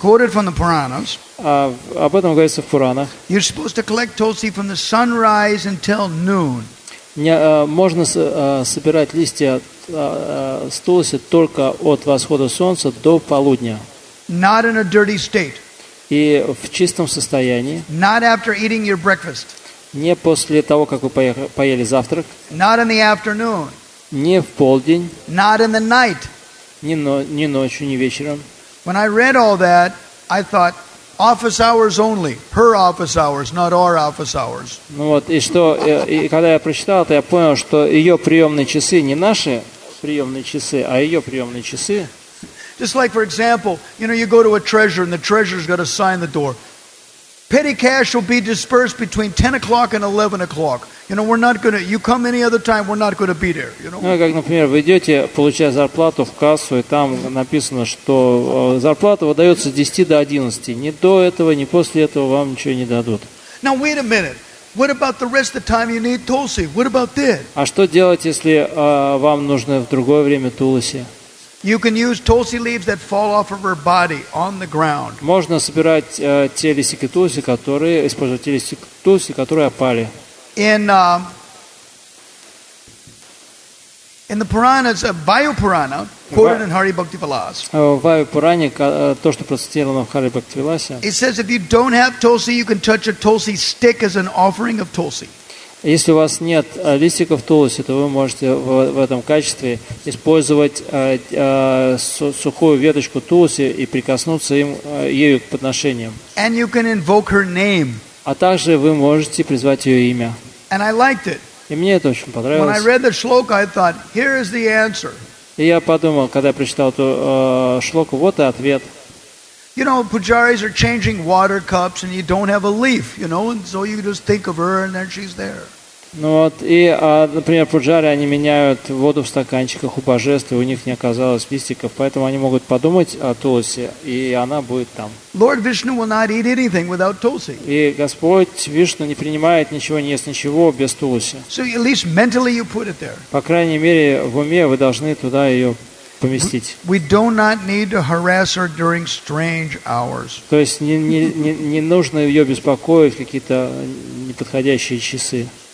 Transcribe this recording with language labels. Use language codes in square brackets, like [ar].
[en] Quoted from the Puranas. [ru] Об этом говорится в Пуранах. [en] You're supposed to collect Tulsi from the sunrise until noon. [ru] Можно собирать листья с Тулоси только от восхода солнца до полудня. [en] Not in a dirty state. [ru] И в чистом состоянии. [en] Not after eating your breakfast. [ru] Не после того, как вы поели завтрак. [en] Not in the afternoon. [ru] Не в полдень. [en] Not in the night. [ru] Не ночью, не вечером. [en] When I read all that, I thought, office hours only. Her office hours, not our office hours. [ru] Ну вот, и что, и когда я прочитал это, я понял, что ее приемные часы не наши приемные часы, а ее приемные часы. [en] Just like, for example, you know, you go to a treasure, and the treasure's got a sign on the door. Petty cash will be dispersed between 10 o'clock and 11 o'clock. You know, we're not going to, you come any other time, we're not going to be there. You know? [ru] Ну, как, например, вы идете, получая зарплату в кассу, и там написано, что зарплата выдается с 10 до 11. Ни до этого, ни после этого вам ничего не дадут. [en] Now, wait a minute. What about the rest of the time you need Tulsi? What about that? [ru] А что делать, если вам нужно в другое время Тулоси? [en] You can use Tulsi leaves that fall off of her body on the ground. [ru] Можно собирать те листики Тулси, которые используют те листики Тулси, которые опали. [en] In the Puranas, a Vayu Purana quoted in Hari Bhakti Vilas. [ru] Vayu Puране то, что процитировано в Хари Бхакти Виласе. [en] It says if you don't have Tulsi, you can touch a Tulsi stick as an offering of Tulsi. [ru] Если у вас нет листиков Тулоси, то вы можете в этом качестве использовать сухую веточку Тулоси и прикоснуться ею к подношениям. [en] And you can invoke her name. [ru] А также вы можете призвать ее имя. [en] And I liked it. [ru] И мне это очень понравилось. [en] When I read the shloka, I thought, here is the answer. [ru] И я подумал, когда я прочитал эту шлоку, вот и ответ. [en] You know, pujaris are changing water cups and you don't have a leaf, you know, and so you just think of her and then she's there. [ru] Ну вот, и, например, пуджари, они меняют воду в стаканчиках у божеств, и у них не оказалось листиков, поэтому они могут подумать о Тулси, и она будет там. [en] Lord Vishnu will not eat anything without Tulsi. [ru] И Господь Вишну не принимает ничего, не ест ничего без Тулси. [en] So at least mentally you put it there. [ru] По крайней мере, в уме вы должны туда ее поместить. [en] We do not need to harass her during strange hours. [ru] То есть не нужно ее беспокоить в какие-то неподходящие часы.